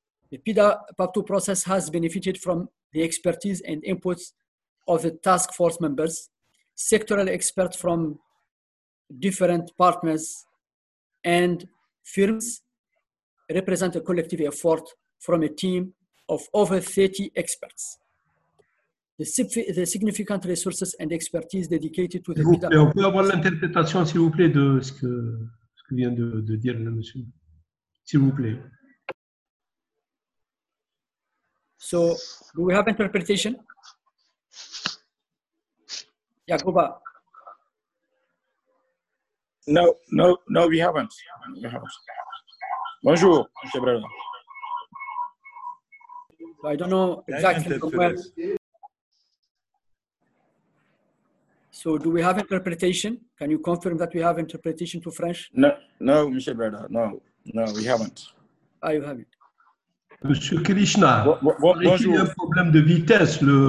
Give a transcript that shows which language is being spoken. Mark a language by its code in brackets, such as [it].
[en] The PIDA PAP 2 process has benefited from the expertise and inputs of the task force members, sectoral experts from different partners and firms, represent a collective effort from a team of over 30 experts. The significant resources and expertise dedicated to the PIDA [fr] PAP 2 process. On peut avoir l'interprétation, s'il vous plaît, de ce que vient de dire le monsieur, s'il vous plaît. [en] So, do we have interpretation? Yakuba? No, we haven't. [fr] Bonjour, [en] Monsieur Brelon. So I don't know exactly from where. So do we have interpretation? Can you confirm that we have interpretation to French? No, Monsieur Breda, no, we haven't. Ah, you haven't. [fr] Monsieur Krishna, il y a un problème de vitesse.